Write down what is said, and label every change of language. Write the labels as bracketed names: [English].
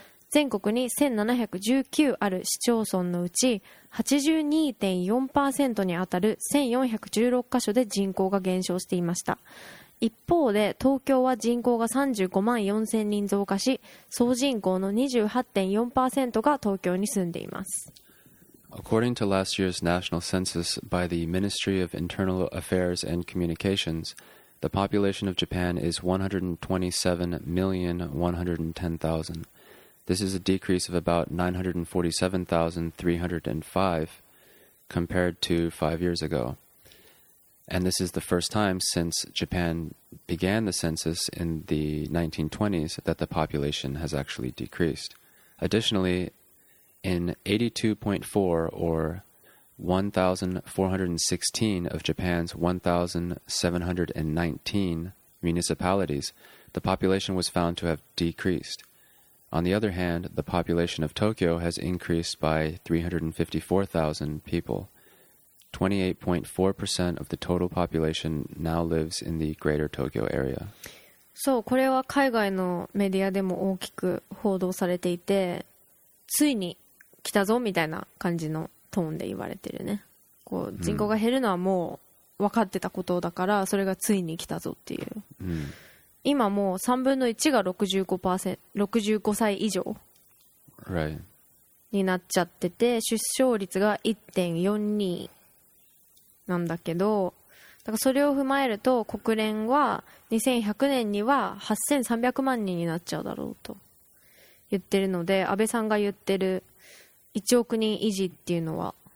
[Japanese] 全国に1719ある市町村のうち 82.4% にあたる1416カ所で人口が減少していました。一方で東京は人口が35万4千人増加し、総人口の 28.4% が東京に住んでいます。 [English] According to last year's national census by the Ministry of Internal Affairs and Communications, the population of Japan is 127,110,000. This is a decrease of about 947,305 compared to 5 years ago. And this is the first time since Japan began the census in the 1920s that the population has actually decreased. Additionally,In 82.4 or 1,416 of Japan's 1,719 municipalities, the population was found to have decreased. On the other hand, the population of Tokyo has increased by 354,000 people. 28.4% of the total population now lives in the greater Tokyo area. [Japanese] そう、これは海外のメディアでも大きく報道されていて、ついに来たぞみたいな感じのトーンで言われてるね。こう人口が減るのはもう分かってたことだから、それがついに来たぞっていう、うん、今もう3分の1が 65歳以上になっちゃってて、出生率が 1.42 なんだけど、だからそれを踏まえると国連は2100年には8300万人になっちゃうだろうと言ってるので、安倍さんが言ってる1億人維持っていうのは